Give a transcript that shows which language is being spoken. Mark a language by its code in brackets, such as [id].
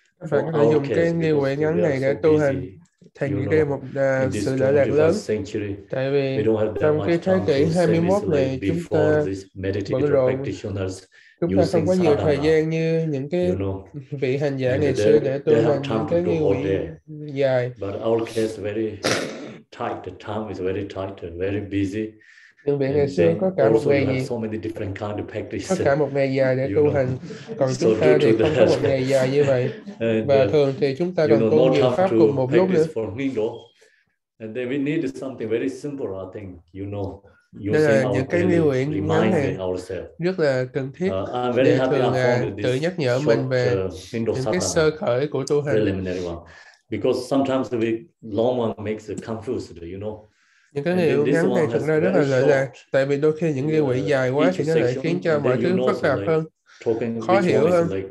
[vi] Phải có thể dùng cái nghi nguyện ngắn này để tu hành. Thành như đây một sự lợi lạc lớn, [en] century, [vi] tại vì trong cái thế kỷ 21 này chúng ta bận rộn Chúng ta không có nhiều thời gian như những cái vị hành giả ngày xưa để tu hành những cái nghi quỹ dài. [en] But our case very tight. The time is very tight and very busy. [vi] Nhưng vị ngày xưa có cả một ngày gì? [en] So many different kind of practice. [vi] Có cả một ngày dài để tu hành. Còn chúng ta thì không có một ngày dài như vậy. Và thường thì chúng ta cần tu nhiều pháp cùng một lúc nữa. [en] And then we need something very simple, I think, you know. [vi] Đây là những cái lưu ý ngắn hạn rất là cần thiết để thường tự nhắc nhở mình về những cái sơ khởi của tu hành. [en] Because sometimes the long one makes it confused, you know. [vi] Những cái lưu ý ngắn này thật ra rất là lợi ích, tại vì đôi khi những lưu ý dài quá thì nó lại khiến cho mọi thứ phức tạp hơn, khó hiểu hơn.